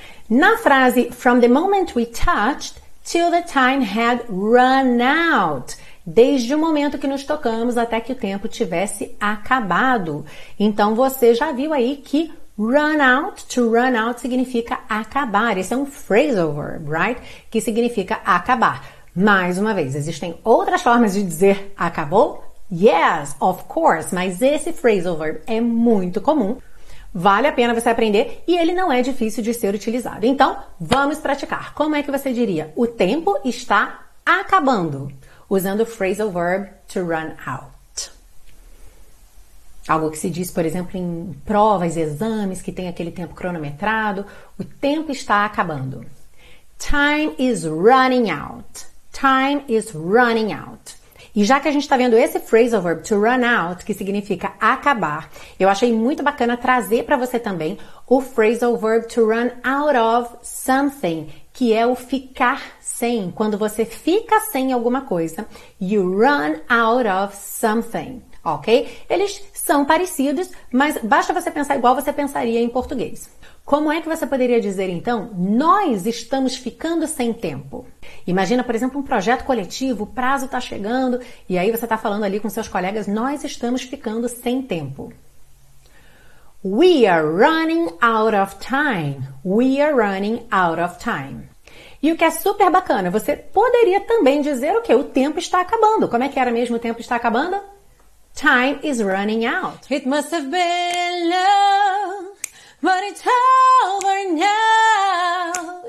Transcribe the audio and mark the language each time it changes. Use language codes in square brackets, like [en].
[pt] Na frase, [en] from the moment we touched till the time had run out. [pt] Desde o momento que nos tocamos até que o tempo tivesse acabado. Então você já viu aí que run out, to run out significa acabar. Esse é um phrasal verb, right? Que significa acabar. Mais uma vez, existem outras formas de dizer acabou? [en] Yes, of course, [pt] mas esse phrasal verb é muito comum. Vale a pena você aprender e ele não é difícil de ser utilizado. Então, vamos praticar. Como é que você diria? O tempo está acabando. Usando o phrasal verb to run out. Algo que se diz, por exemplo, em provas e exames que tem aquele tempo cronometrado. O tempo está acabando. [en] Time is running out. Time is running out. [pt] E já que a gente está vendo esse phrasal verb to run out, que significa acabar, eu achei muito bacana trazer para você também o phrasal verb to run out of something, que é o ficar sem. Quando você fica sem alguma coisa, [en] you run out of something, [pt] ok? Eles são parecidos, mas basta você pensar igual você pensaria em português. Como é que você poderia dizer, então, nós estamos ficando sem tempo? Imagina, por exemplo, um projeto coletivo, o prazo está chegando, e aí você está falando ali com seus colegas, nós estamos ficando sem tempo. [en] We are running out of time. We are running out of time. [pt] E o que é super bacana, você poderia também dizer o quê? O tempo está acabando. Como é que era mesmo o tempo está acabando? [en] Time is running out. It must have been love, but it's over now.